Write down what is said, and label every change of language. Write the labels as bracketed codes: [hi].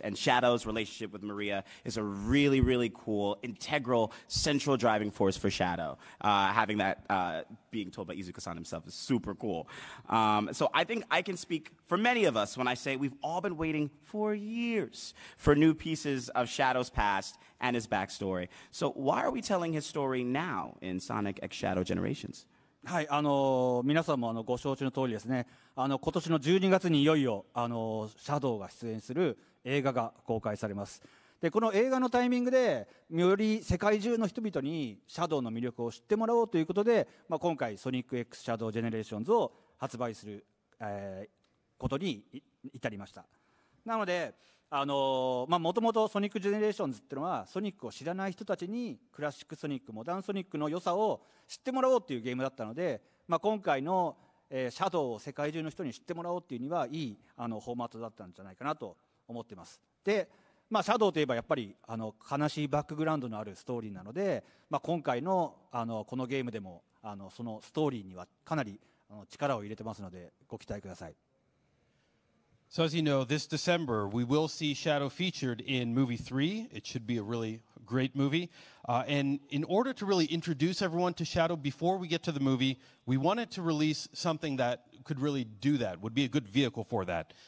[en] And Shadow's relationship with Maria is a really, really cool, integral, central driving force for Shadow. Having that being told by Izuka-san himself is super cool. So I think I can speak for many of us when I say we've all been waiting for years for new pieces of Shadow's past and his backstory. So why are we telling his story now in Sonic X Shadow Generations? [ja] はい、皆さんもご承知の通りですね、今年の12月にいよいよシャドウが出演する映画が公開されます。で、この映画のタイミングでより世界中の人々にシャドウの魅力を知ってもらおうということで、まあ、今回ソニック X シャドウジェネレーションズを発売する、ことに至りました。なのでもともとソニックジェネレーションズっていうのはソニックを知らない人たちにクラシックソニック、モダンソニックの良さを知ってもらおうっていうゲームだったので、まあ、今回の、シャドウを世界中の人に知ってもらおうっていうにはいいフォーマットだったんじゃないかなと思ってます。で、まあ、シャドウといえばやっぱり悲しいバックグラウンドのあるストーリーなので、まあ、今回のこのゲームでもあの、そのストーリーにはかなり、あの、力を入れてますので、ご期待ください。 [en] So as you know, this December, we will see Shadow featured in movie 3. It should be a really great movie. And in order to really introduce everyone to Shadow before we get to the movie, we wanted to release something that could really do that, would be a good vehicle for that.